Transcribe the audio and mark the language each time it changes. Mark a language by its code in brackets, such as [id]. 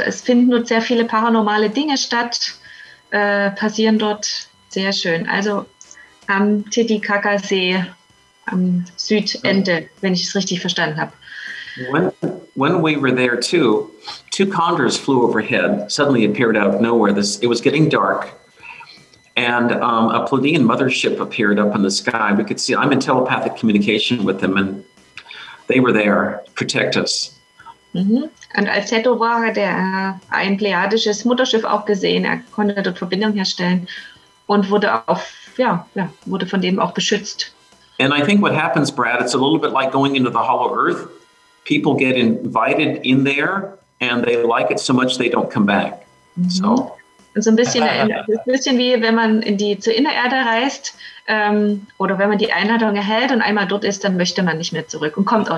[de] Es finden dort sehr viele paranormale Dinge statt. Passieren dort sehr schön. Also am Titicacasee am Südende, wenn ich es richtig verstanden habe. [en] When we were there too, two condors flew overhead, suddenly appeared out of nowhere. It was getting dark. And a Pleiadian mothership appeared up in the sky. We could see, I'm in telepathic communication with them and they were there to protect us. [de] Und als Teto war, hat er ein pleiadisches Mutterschiff auch gesehen. Er konnte dort Verbindung herstellen und wurde von dem auch beschützt. [en] And I think what happens, Brad, it's a little bit like going into the hollow earth. People get invited in there and they like it so much they don't come back. So. [de] Und so ein bisschen wie wenn man zur Innererde reist oder wenn man die Einladung erhält und einmal dort ist, dann möchte man nicht mehr zurück und kommt auch